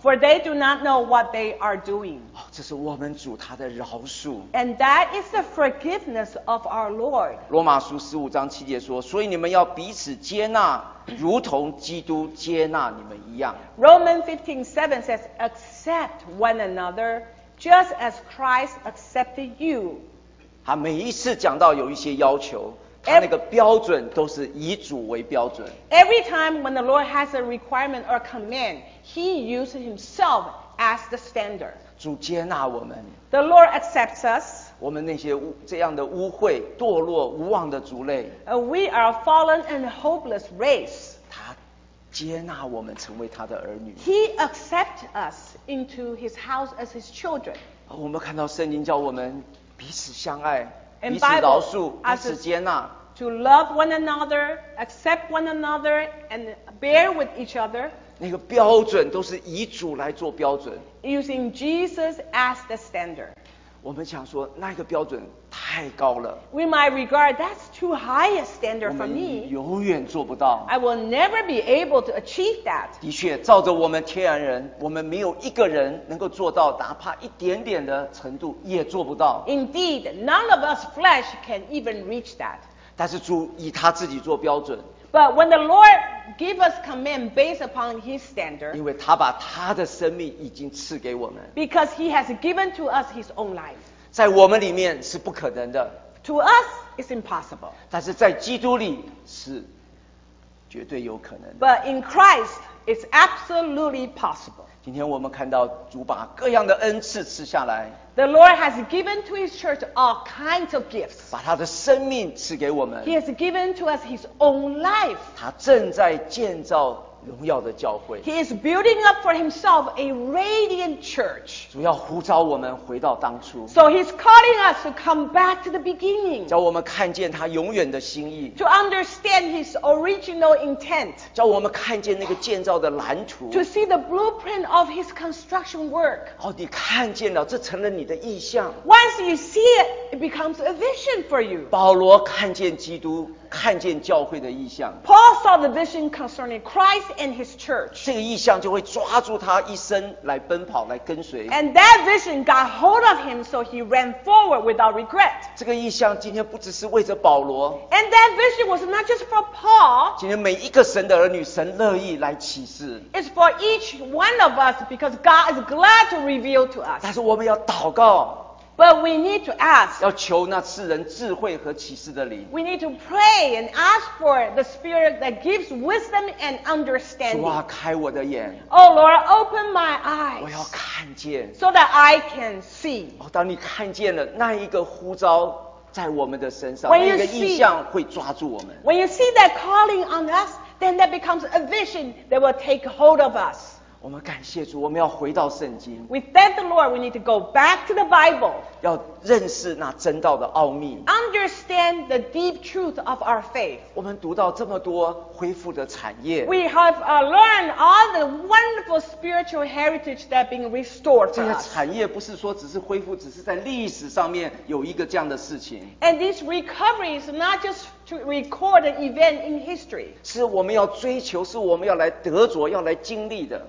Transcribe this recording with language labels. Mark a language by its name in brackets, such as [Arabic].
[English] For they do not know what they are doing. [Chinese] 哦，这是我们主他的饶恕。 [English] And that is the forgiveness of our Lord. [Chinese] 罗马书十五章七节说，所以你们要彼此接纳，如同基督接纳你们一样。 [English] Romans 15:7 says, accept one another just as Christ accepted you. [Chinese] 他每一次讲到有一些要求，他那个标准都是以主为标准。 [English] Every time when the Lord has a requirement or command, he uses himself as the standard. [Chinese] 主接纳我们。 [English] The Lord accepts us. [Chinese] 我们那些这样的污秽、堕落、无望的族类。 [English] We are a fallen and hopeless race. [Chinese] 他接纳我们成为他的儿女。 [English] He accepts us into his house as his children. [Chinese] 我们看到圣经叫我们彼此相爱，彼此饶恕，彼此接纳。 [English] To love one another, accept one another, and bear with each other. [Chinese] 那个标准都是以主来做标准。 [English] Using Jesus as the standard. [Chinese] 我们想说那个标准太高了。 [English] We might regard that's too high a standard for me. [Chinese] 我们永远做不到。 [English] I will never be able to achieve that. [Chinese] 的确，照着我们天然人，我们没有一个人能够做到，哪怕一点点的程度也做不到。 [English] Indeed, none of us flesh can even reach that. [Chinese] 但是主以他自己做标准。 [English] But when the Lord gives us command based upon His standard, [Chinese] 因为他把他的生命已经赐给我们。 [English] Because He has given to us His own life. [Chinese] 在我们里面是不可能的。 [English] To us, it's impossible. [Chinese] 但是在基督里是绝对有可能的。 [English] But in Christ, it's absolutely possible. [Chinese] 今天我们看到主把各样的恩赐赐下来。 [English] The Lord has given to His church all kinds of gifts. [Chinese] 把他的生命赐给我们。 [English] He has given to us His own life. [Chinese] 他正在建造荣耀的教会。 [English] He is building up for Himself a radiant church. [Chinese] 主要呼召我们回到当初。 [English] So He's calling us to come back to the beginning. [Chinese] 叫我们看见他永远的心意。 [English] To understand His original intent. [Chinese] 叫我们看见那个建造的蓝图。 [English] To see the blueprint of His construction work. [Chinese] 哦，你看见了，这成了你的意象。 [English] Once you see it, it becomes a vision for you. [Chinese] 保罗看见基督，看见教会的意象。 [English] Paul saw the vision concerning Christ and his church. [Chinese] 这个意象就会抓住他一生来奔跑，来跟随。 [English] And that vision got hold of him, so he ran forward without regret. [Chinese] 这个意象今天不只是为着保罗。 [English] And that vision was not just for Paul. [Chinese] 今天每一个神的儿女，神乐意来启示。 [English] It's for each one of us because God is glad to reveal to us. [Chinese] 但是我们要祷告。 [English] But we need to ask. [Chinese] 要求那赐人智慧和启示的灵。 [English] We need to pray and ask for the Spirit that gives wisdom and understanding. [Chinese] 主啊，开我的眼。 [English] Oh Lord, open my eyes. [Chinese] 我要看见。 [English] So that I can see. [Chinese] 哦，当你看见了那一个呼召在我们的身上，那一个意象会抓住我们。 [English] When you see that calling on us, then that becomes a vision that will take hold of us. [Chinese] 我们感谢主，我们要回到圣经。 [English] We thank the Lord, we need to go back to the Bible. [Chinese] 要认识那真道的奥秘。 [English] Understand the deep truth of our faith. [Chinese] 我们读到这么多恢复的产业。 [English] We have learned all the wonderful spiritual heritage that being restored to us. [Chinese] 这些产业不是说只是恢复，只是在历史上面有一个这样的事情。 [English] And this recovery is not just to record an event in history. [Chinese] 是我们要追求，是我们要来得着，要来经历的。